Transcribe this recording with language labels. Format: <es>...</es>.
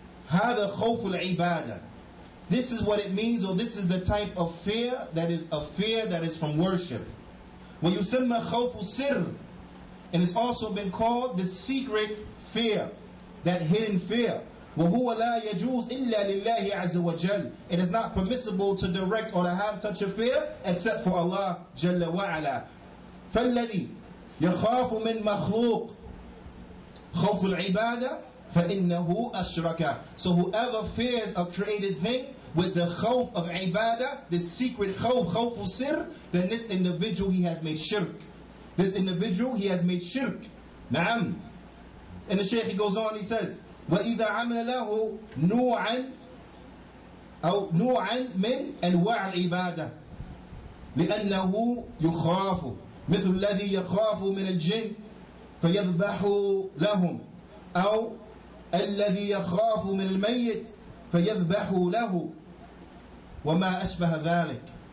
<ar>هذا خوف العبادة.</ar> <en>This is what it means, or this is the type of fear that is a fear that is from worship.</en> <ar>ويسمى خوف السر.</ar> <en>And it's also been called the secret fear, that hidden fear.</en> <ar>وهو لا يجوز إلا لله عز وجل.</ar> <en>It is not permissible to direct or to have such a fear except for Allah جل وعلا.</en> <ar>فالذي يخاف من مخلوق خوف العبادة فإنه أشرك.</ar> <en>So whoever fears a created thing, with the khawf of ibadah, this secret khawf, khawf sir, then this individual, he has made shirk. This individual, he has made shirk. Na'am. And the shaykh, he goes on, he says,</en> <ar>وَإِذَا عَمَلَ لَهُ نُوعًا أو نُوعًا مِنْ أَنْوَعَ الْعِبَادَةِ لِأَنَّهُ يُخَافُ مِثُ الَّذِي يَخَافُ مِنَ الْجِنِ فَيَذْبَحُ لَهُمْ أو الَّذِي يَخَافُ مِنَ الْمَيِّتِ فَيَذْبَحُ لَهُ وَمَا أَشْبَهَ ذَلِكَ.</ar>